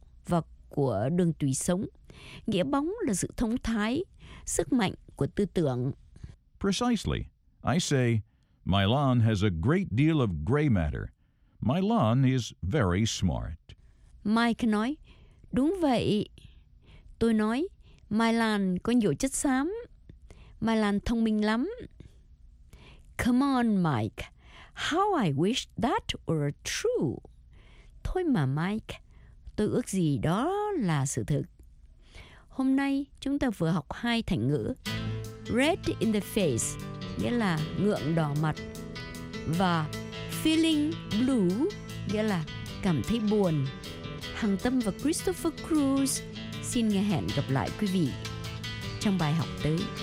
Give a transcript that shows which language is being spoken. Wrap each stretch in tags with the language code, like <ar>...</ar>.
<vi>Và của đường tủy sống. Nghĩa bóng là sự thông thái, sức mạnh của tư tưởng.</vi> <en>Precisely. I say, Mylan has a great deal of gray matter. Mylan is very smart.</en> <vi>Mike nói, đúng vậy. Tôi nói, Mylan có nhiều chất xám. Mylan thông minh lắm.</vi> <en>Come on, Mike. How I wish that were true.</en> <vi>Thôi mà, Mike. Tôi ước gì đó là sự thực. Hôm nay chúng ta vừa học hai thành ngữ.</vi> <en>Red in the face,</en> <vi>nghĩa là ngượng đỏ mặt. Và feeling blue, nghĩa là cảm thấy buồn. Hằng Tâm và Christopher Cruz xin nghe hẹn gặp lại quý vị trong bài học tới.</vi>